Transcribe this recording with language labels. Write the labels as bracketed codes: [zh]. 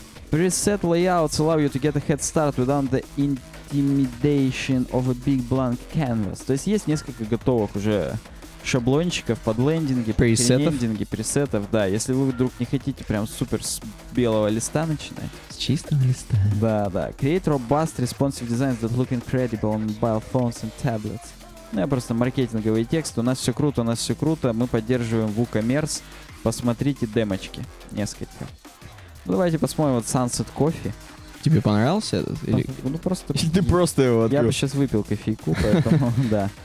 [en] Preset layouts allow you to get a head start without the intimidation of a big blank canvas. [ru] То есть есть несколько готовых уже шаблончиков под лендинги, пресеты, пресетов, да. Если вы вдруг не хотите прям супер с белого листа начинать. С чистого листа. Да, да. [en] Create robust responsive designs that look incredible on mobile phones and tablets. [ru] Ну, я просто маркетинговый текст. У нас все круто, у нас все круто. Мы поддерживаем WooCommerce. Посмотрите демочки. Несколько. Ну, давайте посмотрим вот Sunset Coffee. Тебе понравился этот? Или... Ну, просто... Ты просто его открыл. Я бы сейчас выпил кофейку, поэтому, да.